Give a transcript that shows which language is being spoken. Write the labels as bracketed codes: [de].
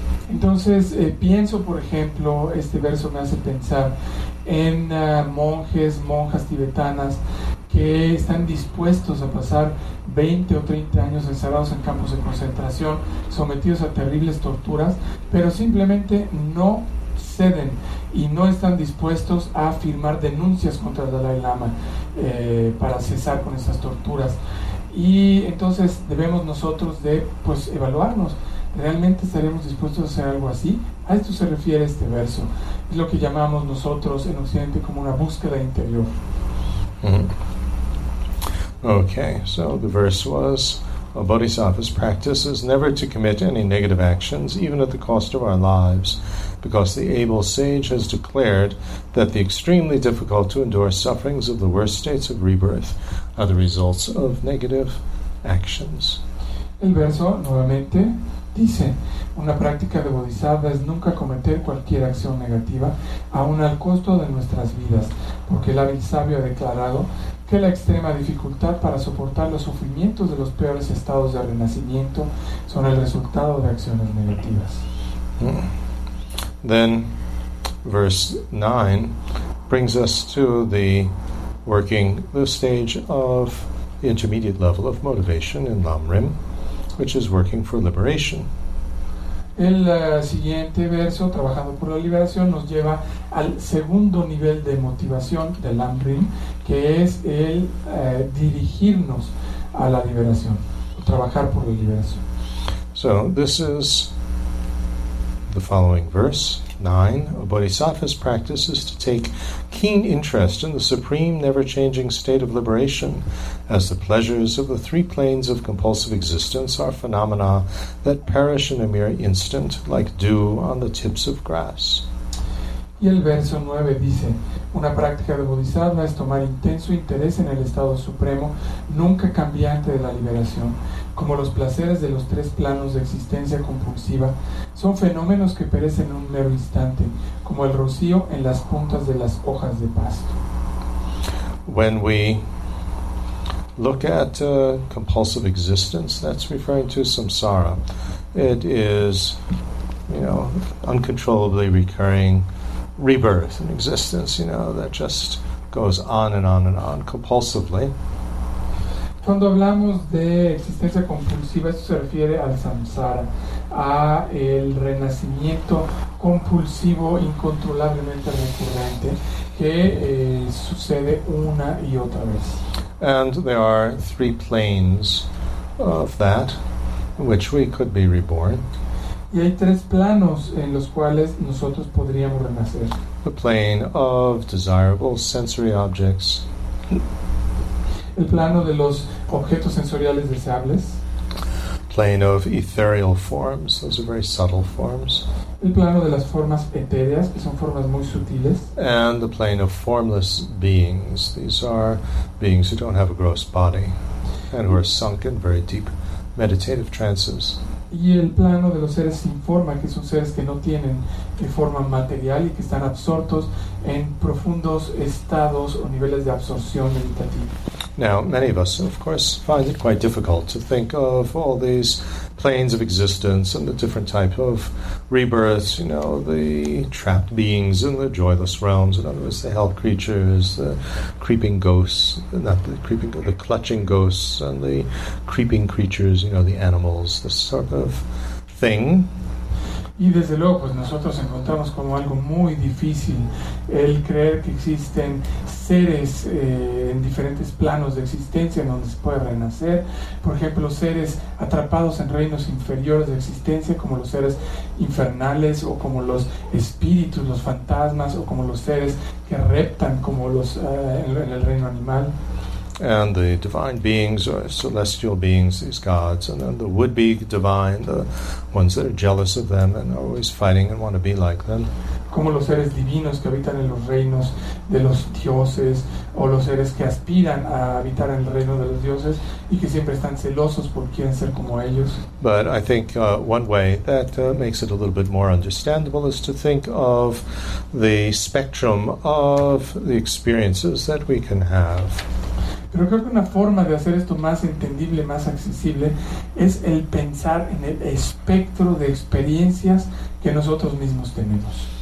[es] Entonces, pienso, por ejemplo, este verso me hace pensar en monjes, monjas tibetanas que están dispuestos a pasar 20 o 30 años encerrados en campos de concentración, sometidos a terribles torturas, pero simplemente no ceden y no están dispuestos a firmar denuncias contra el Dalai Lama para cesar con esas torturas. Y entonces debemos nosotros de, pues, evaluarnos. ¿Realmente estaremos dispuestos a hacer algo así? A esto se refiere este verso. Es lo que llamamos nosotros en Occidente como una búsqueda interior. Mm-hmm. [en] Okay, so the verse was, a bodhisattva's practice is never to commit any negative actions, even at the cost of our lives, because the able sage has declared that the extremely difficult to endure sufferings of the worst states of rebirth are the results of negative actions. [es] El verso, nuevamente, dice, una práctica de bodhisattva es nunca cometer cualquier acción negativa, aun al costo de nuestras vidas, porque el hábil sabio ha declarado que la extrema dificultad para soportar los sufrimientos de los peores estados de renacimiento son el resultado de acciones negativas. [en] Then, verse 9 brings us to the working the stage of the intermediate level of motivation in Lamrim, which is working for liberation. [es] El siguiente verso, trabajando por la liberación, nos lleva al segundo nivel de motivación de Lamrim, que es el dirigirnos a la liberación, trabajar por la liberación. [en] So, this is the following verse, 9. A bodhisattva's practice is to take keen interest in the supreme, never-changing state of liberation, as the pleasures of the three planes of compulsive existence are phenomena that perish in a mere instant, like dew on the tips of grass. [es] Y el verso 9 dice, una práctica de bodhisattva es tomar intenso interés en el estado supremo, nunca cambiante de la liberación, como los placeres de los tres planos de existencia compulsiva, son fenómenos que perecen en un mero instante, como el rocío en las puntas de las hojas de pasto. [en] When we look at compulsive existence, that's referring to samsara. It is, you know, uncontrollably recurring rebirth and existence, you know, that just goes on and on and on compulsively. [es] Cuando hablamos de existencia compulsiva, esto se refiere al samsara, a el renacimiento compulsivo incontrolablemente recurrente que sucede una y otra vez. [en] And there are three planes of that in which we could be reborn. [es] Y hay tres planos en los cuales nosotros podríamos renacer. [en] The plane of desirable sensory objects. [es] El plano de los objetos sensoriales deseables. [en] Plane of ethereal forms. Those are very subtle forms. [es] El plano de las formas etéreas, que son formas muy sutiles. [en] And the plane of formless beings. These are beings who don't have a gross body and who are sunk in very deep meditative trances. [es] Y el plano de los seres sin forma, que son seres que no tienen forma material y que están absortos en profundos estados o niveles de absorción meditativa. [en] Now, many of us, of course, find it quite difficult to think of all these planes of existence and the different type of rebirths, you know, the trapped beings in the joyless realms, in other words, the hell creatures, the creeping ghosts, not the creeping, the clutching ghosts and the creeping creatures, you know, the animals, this sort of thing. [es] Y desde luego, pues nosotros encontramos como algo muy difícil el creer que existen seres en diferentes planos de existencia en donde se puede renacer. Por ejemplo, seres atrapados en reinos inferiores de existencia, como los seres infernales, o como los espíritus, los fantasmas, o como los seres que reptan, como los en el reino animal. [en] And the divine beings or celestial beings, these gods, and then the would-be divine, the ones that are jealous of them and are always fighting and want to be like them. [es] Como los seres divinos que habitan en los reinos de los dioses, o los seres que aspiran a habitar en el reino de los dioses y que siempre están celosos porque quieren ser como ellos. [en] But I think one way that makes it a little bit more understandable is to think of the spectrum of the experiences that we can have. [es] Pero creo que una forma de hacer esto más entendible, más accesible, es el pensar en el espectro de experiencias que nosotros mismos tenemos.